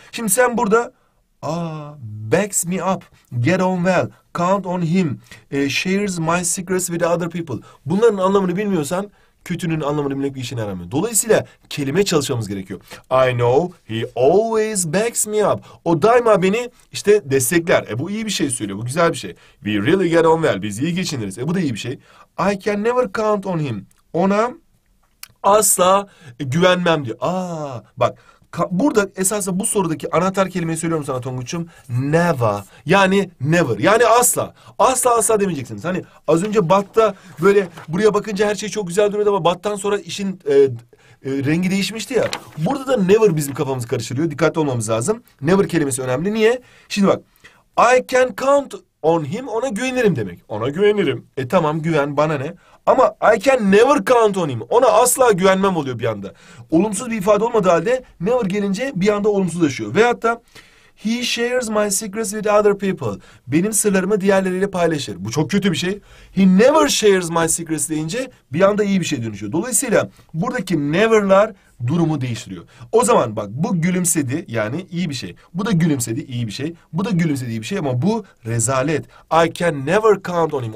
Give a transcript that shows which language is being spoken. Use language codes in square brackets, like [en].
[tr] Şimdi sen burada, [en] aa, backs me up, get on well, count on him, shares my secrets with other people. [tr] Bunların anlamını bilmiyorsan, kötünün anlamını bilmek bir işine yaramıyor. Dolayısıyla kelime çalışmamız gerekiyor. [en] I know he always backs me up. [tr] O daima beni işte destekler. Bu iyi bir şey söylüyor. Bu güzel bir şey. [en] We really get on well. [tr] Biz iyi geçiniriz. Bu da iyi bir şey. [en] I can never count on him. [tr] Ona asla güvenmem diyor. Aa, bak. Burada esasında bu sorudaki anahtar kelimeyi söylüyorum sana Tonguç'um. Never. Yani never. Yani asla. Asla asla demeyeceksiniz. Hani az önce Bat'ta böyle buraya bakınca her şey çok güzel duruyordu ama Bat'tan sonra işin rengi değişmişti ya. Burada da never bizim kafamızı karıştırıyor. Dikkatli olmamız lazım. Never kelimesi önemli. Niye? Şimdi bak. [en] I can count on him. [tr] Ona güvenirim demek. Ona güvenirim. Tamam güven bana ne? Ama [en] I can never count on him. [tr] Ona asla güvenmem oluyor bir anda. Olumsuz bir ifade olmadığı halde never gelince bir anda olumsuzlaşıyor. Veyahut da [en] he shares my secrets with other people. [tr] Benim sırlarımı diğerleriyle paylaşır. Bu çok kötü bir şey. [en] He never shares my secrets [tr] deyince bir anda iyi bir şey dönüşüyor. Dolayısıyla buradaki never'lar durumu değiştiriyor. O zaman bak bu gülümsedi yani iyi bir şey. Bu da gülümsedi iyi bir şey. Bu da gülümsedi iyi bir şey ama bu rezalet. [en] I can never count on him.